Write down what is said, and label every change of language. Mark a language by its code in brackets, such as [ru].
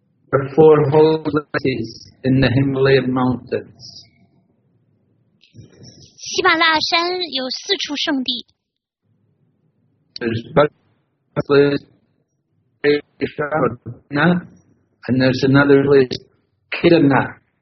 [en] There are four holy places in the Himalayan mountains. [zh] 喜马拉雅山有四处圣地。 [en] There's Badrik Ashram, and there's another place, Kedarnath.